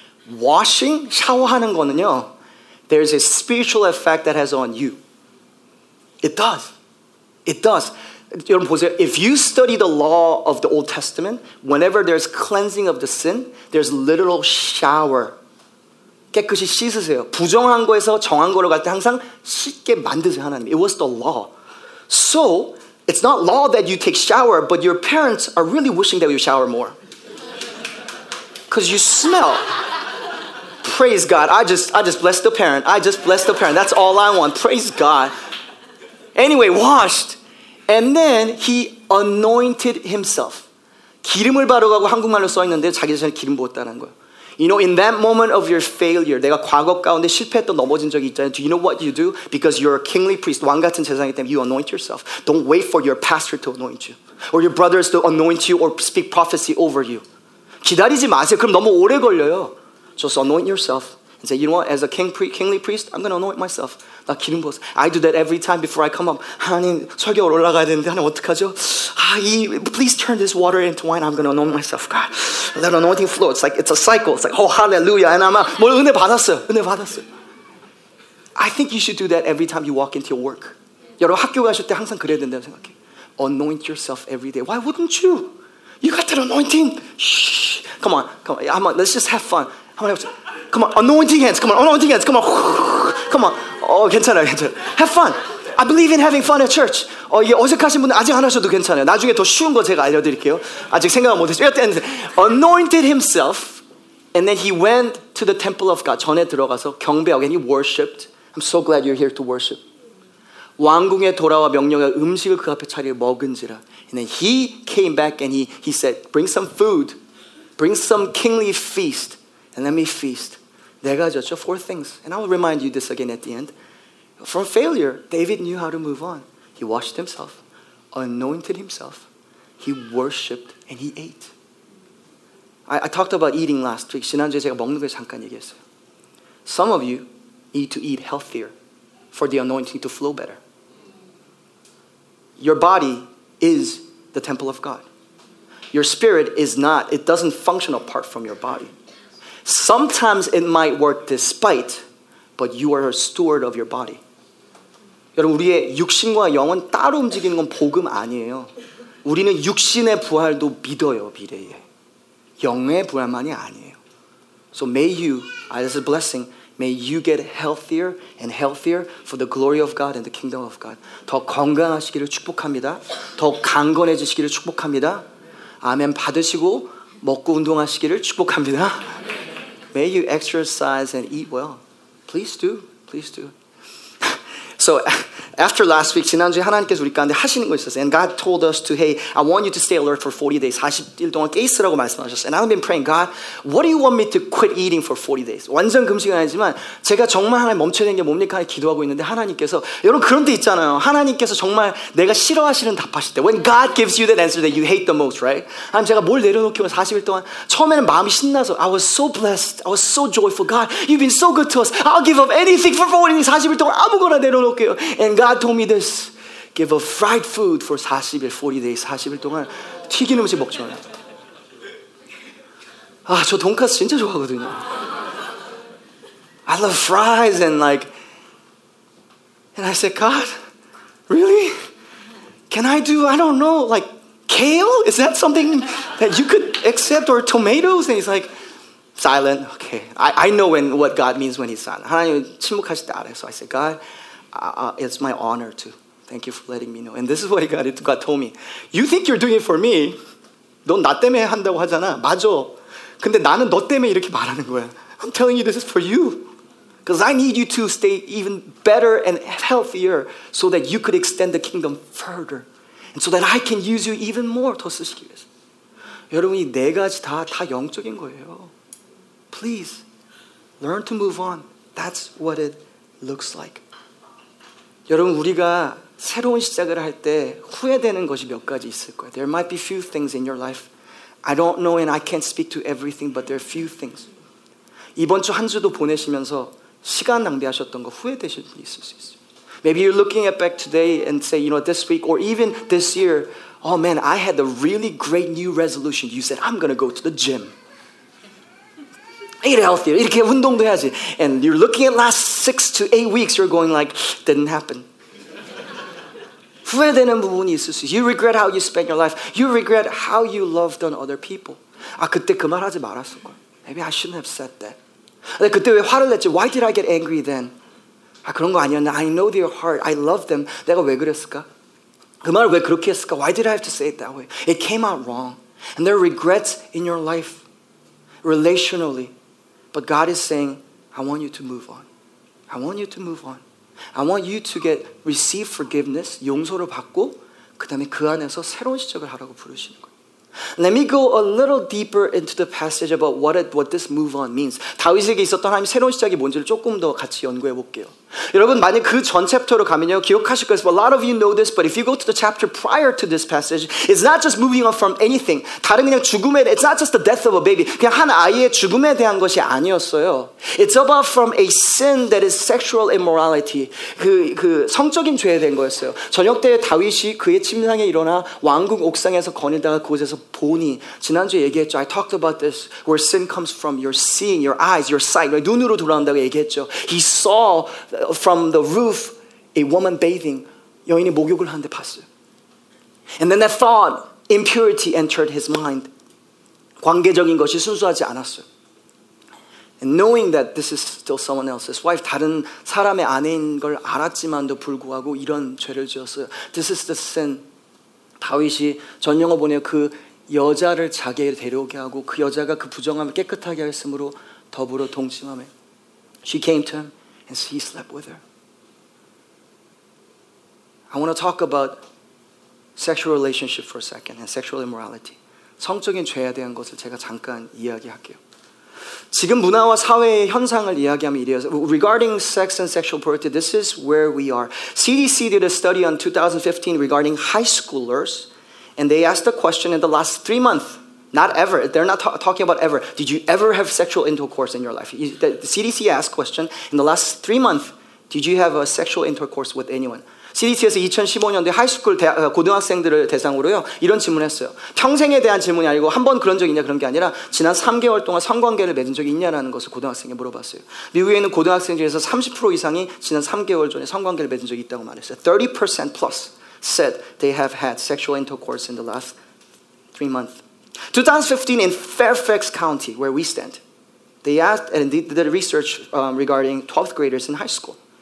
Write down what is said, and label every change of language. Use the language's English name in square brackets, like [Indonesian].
[English] Washing, [Korean] 샤워하는 거는요, [English] there's a spiritual effect that has on you. It does. It does. [Korean] 여러분 보세요. [English] If you study the law of the Old Testament, whenever there's cleansing of the sin, there's literal shower. [Korean] 깨끗이 씻으세요. 부정한 거에서 정한 거로 갈 때 항상 씻게 만드세요, 하나님. [English] It was the law. So, it's not law that you take shower, but your parents are really wishing that you shower more. Because you smell. Praise God. I just bless the parent. I just bless the parent. That's all I want. Praise God. Anyway, washed. And then he anointed himself. [Korean] 기름을 바르고 한국말로 써 있는데 자기 자신을 기름 부었다는 거예요. [English] You know, in that moment of your failure, [Korean] 내가 과거 가운데 실패했던 넘어진 적이 있잖아요. [English] Do you know what you do? Because you're a kingly priest, [Korean] 왕 같은 제사장이기 때문에 [English] you anoint yourself. Don't wait for your pastor to anoint you. Or your brothers to anoint you or speak prophecy over you. [Korean] 기다리지 마세요. 그럼 너무 오래 걸려요. [English] Just anoint yourself. And say, you know what? As a kingly priest, I'm going to anoint myself. [Korean] 나 기름 부었어. [English] I do that every time before I come up. [Korean] 하나님, 설교 올라가야 되는데 하나님 어떡하죠? [English] 아, 이, please turn this water into wine. I'm going to anoint myself, God. Let anointing flow. It's like, it's a cycle. It's like, oh, hallelujah. And I'm out. [Korean] 뭐, 은혜 받았어. 은혜 받았어. [English] I think you should do that every time you walk into your work. [Korean] 여러분, 학교 가실 때 항상 그래야 된다고 생각해. [English] Anoint yourself every day. Why wouldn't you? You got that anointing. Shh. Come on. I'm on. Let's just have fun. Come on, anointing hands. Come on, anointing hands. Come on. Come on. Oh, [Korean] 괜찮아요, 괜찮아요. [English] Have fun. I believe in having fun at church. [Korean] 어제 가신 분들 아직 안 하셔도 괜찮아요. 나중에 더 쉬운 거 제가 알려드릴게요. 아직 생각은 못했어요. [English] Anointed himself, and then he went to the temple of God. [Korean] 전에 들어가서 경배하고, [English] and he worshipped. I'm so glad you're here to worship. [Korean] 왕궁에 돌아와 명령하여 음식을 그 앞에 차리 먹은지라. [English] And then he came back and he said, bring some food. Bring some kingly feast. And let me feast. [Korean] 네 가지였죠. [English] Four things. And I will remind you this again at the end. From failure, David knew how to move on. He washed himself, anointed himself, he worshipped, and he ate. I talked about eating last week. [Korean] 지난주에 제가 먹는 거에 잠깐 얘기했어요. [English] Some of you need to eat healthier for the anointing to flow better. Your body is the temple of God. Your spirit is not, it doesn't function apart from your body. Sometimes it might work despite, but you are a steward of your body. [Korean] 여러분, 우리의 육신과 영혼 따로 움직이는 건 복음 아니에요. 우리는 육신의 부활도 믿어요, 미래에. 영의 부활만이 아니에요. [English] So may you, as a blessing, may you get healthier and healthier for the glory of God and the kingdom of God. [Korean] 더 건강하시기를 축복합니다. 더 강건해지시기를 축복합니다. 아멘 받으시고 먹고 운동하시기를 축복합니다. [English] May you exercise and eat well. Please do, please do. So after last week, [Korean] 지난주에 하나님께서 우리 가운데 하시는 거 있었어요. [English] And God told us to, hey, I want you to stay alert for 40 days. [Korean] 40일 동안 깨 있으라고 말씀하셨어요. [English] And I've been praying, God, what do you want me to quit eating for 40 days? [Korean] 완전 금식은 아니지만 제가 정말 하나님 멈춰야 되는 게 뭡니까? 기도하고 있는데 하나님께서, 여러분 그런 데 있잖아요. 하나님께서 정말 내가 싫어하시는 답하실 때, [English] when God gives you that answer that you hate the most, right? [Korean] 하나님 제가 뭘 내려놓기만 40일 동안, 처음에는 마음이 신나서, [English] I was so blessed, I was so joyful. God, you've been so good to us. I'll give up anything for 40 days. [Korean] 40일 동안 아무거나 내려놓을게요. [English] And God told me this. Give up fried food for 40일, 40 days. [Korean] 40일 동안 튀긴 음식 먹지 말라. 아, 저 돈까스 진짜 좋아하거든요. [English] I love fries and like, and I said, God, really? Can I do, I don't know, like kale? Is that something that you could accept or tomatoes? And he's like, silent. Okay. I know when what God means when he's silent. [Korean] 하나님 침묵하실 때 알아요. [English] So I said, God, it's my honor to. Thank you for letting me know. And this is what God told me. You think you're doing it for me. [Korean] 넌 나 때문에 한다고 하잖아. 맞아. 근데 나는 너 때문에 이렇게 말하는 거야. [English] I'm telling you this is for you. Because I need you to stay even better and healthier so that you could extend the kingdom further. And so that I can use you even more. [Korean] 더 쓰시기 위해서. 여러분이 네 가지 다 영적인 거예요. [English] Please, learn to move on. That's what it looks like. [Korean] 여러분 우리가 새로운 시작을 할 때 후회되는 것이 몇 가지 있을 거예요. [English] There might be few things in your life. I don't know and I can't speak to everything, but there are few things. [Korean] 이번 주 한 주도 보내시면서 시간 낭비하셨던 거 후회되실 분이 있을 수 있어요. [English] Maybe you're looking back today and say, you know, this week or even this year, oh man, I had a really great new resolution. You said, I'm going to go to the gym. Eat healthier. [Korean] 이렇게 운동도 해야지. [English] And you're looking at last 6 to 8 weeks, you're going like, didn't happen. [Korean] 후회되는 부분이 있을 수 있어요. [English] You regret how you spent your life. You regret how you loved on other people. [Korean] 아, 그때 그 말 하지 말았을 걸. [English] Maybe I shouldn't have said that. [Korean] 아, 그때 왜 화를 냈지? [English] Why did I get angry then? [Korean] 아, 그런 거 아니었나? [English] I know their heart. I love them. [Korean] 내가 왜 그랬을까? 그 말을 왜 그렇게 했을까? [English] Why did I have to say it that way? It came out wrong. And there are regrets in your life, relationally. But God is saying, I want you to move on. I want you to move on. I want you to receive forgiveness, [Korean] 용서를 받고, 그 다음에 그 안에서 새로운 시작을 하라고 부르시는 거예요. [English] Let me go a little deeper into the passage about what this move on means. [Korean] 다윗에게 있었던 하나님 새로운 시작이 뭔지를 조금 더 같이 연구해 볼게요. 여러분, 만약 그 전 챕터로 가면요, 기억하실 거예요. [English] A lot of you know this, but if you go to the chapter prior to this passage, it's not just moving on from anything. [Korean] 다른 그냥 죽음에 대해, [English] it's not just the death of a baby. [Korean] 그냥 한 아이의 죽음에 대한 것이 아니었어요. [English] It's about from a sin that is sexual immorality. [Korean] 그 성적인 죄에 대한 거였어요. 저녁 때 다윗이 그의 침상에 일어나 왕궁 옥상에서 거닐다가 그곳에서 보니, 지난주에 얘기했죠. [English] I talked about this, where sin comes from your seeing, your eyes, your sight. [Korean] 눈으로 돌아온다고 얘기했죠. [English] He saw from the roof a woman bathing. [Korean] 여인이 목욕을 하는데 봤어요. [English] And then that thought, impurity entered his mind. [Korean] 관계적인 것이 순수하지 않았어요. [English] And knowing that this is still someone else's wife, [Korean] 다른 사람의 아내인 걸 알았지만도 불구하고 이런 죄를 지었어요. [English] This is the sin. [Korean] 다윗이 전령을 보내 그 여자를 자기에 데려오게 하고 그 여자가 그 부정함을 깨끗하게 했으므로 더불어 동침함에. [English] She came to him. And so he slept with her. I want to talk about sexual relationship for a second and sexual immorality. [Korean] 성적인 죄에 대한 것을 제가 잠깐 이야기할게요. 지금 문화와 사회의 현상을 이야기하면 이래요. [English] Regarding sex and sexual purity, this is where we are. CDC did a study on 2015 regarding high schoolers, and they asked the question in the last 3 months, not ever, they're not talking about ever, did you ever have sexual intercourse in your life? The CDC asked the question, in the last 3 months, did you have a sexual intercourse with anyone? [Korean] CDC에서 2015년도 하이스쿨 고등학생들을 대상으로요 이런 질문을 했어요. 평생에 대한 질문이 아니고 한 번 그런 적 있냐 그런 게 아니라 지난 3개월 동안 성관계를 맺은 적이 있냐라는 것을 고등학생에게 물어봤어요. 미국에 있는 고등학생 중에서 30% 이상이 지난 3개월 전에 성관계를 맺은 적이 있다고 말했어요. [English] 30% plus said they have had sexual intercourse in the last 3 months. 2015 in Fairfax County, where we stand, they asked and did the research regarding 12th graders in high school.